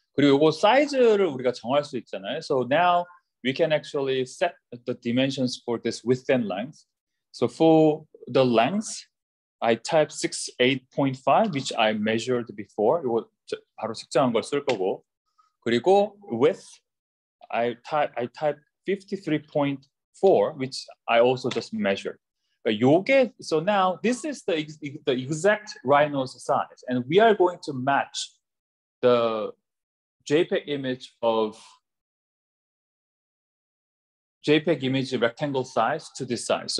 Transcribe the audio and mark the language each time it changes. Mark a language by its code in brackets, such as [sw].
[ko] 그리고 이거 사이즈를 우리가 정할 수 있잖아요. [en] So now we can actually set the dimensions for this width and length. So for the length, I type 68.5, which I measured before. [ko] 이거 바로 측정한 걸 쓸 거고. 그리고 [en] width, I type 53.4, which I also just measured. But [ko] 요게, [en] so now this is the exact Rhino's size. And we are going to match the JPEG image of JPEG image rectangle size to this size.